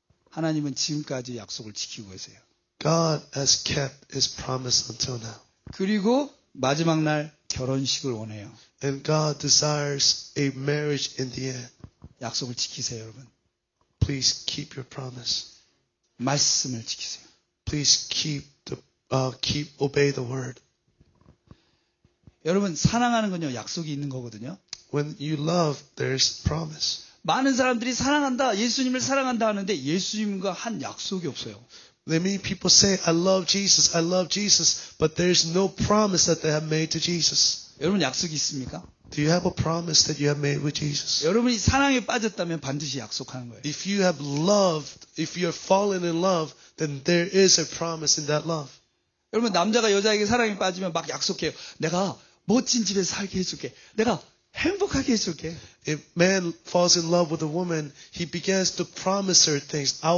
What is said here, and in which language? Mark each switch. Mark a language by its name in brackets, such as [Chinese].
[Korean] 하나님은 지금까지 약속을 지키고 계세요. [English] God has kept his promise until now. [Korean] 그리고 마지막 날 결혼식을 원해요. [English] And God desires a marriage in the end. [Korean] 약속을 지키세요, 여러분. [English] Please keep your promise. [Korean] 말씀을 지키세요. [English] Please keep the keep obey the word. [Korean] 여러분, 사랑하는 건요, 약속이 있는 거거든요. [English] When you love, there's promise. [Korean] 많은 사람들이 사랑한다, 예수님을 사랑한다 하는데 예수님과 한 약속이 없어요. [English] Many people say, I love Jesus, but there's no promise that they have made to Jesus. [Korean] 여러분 약속이 있습니까? [English] Do you have a promise that you have made with Jesus? [Korean] 여러분이 사랑에 빠졌다면 반드시 약속하는 거예요. [English] If you have loved, if you have fallen in love, then there is a promise in that love. [Korean] 여러분 남자가 여자에게 사랑에 빠지면 막 약속해요. 내가 멋진 집에서 살게 해줄게. 내가 행복하게 해줄게. [English] If man falls in love with a woman, he begins to promise her things.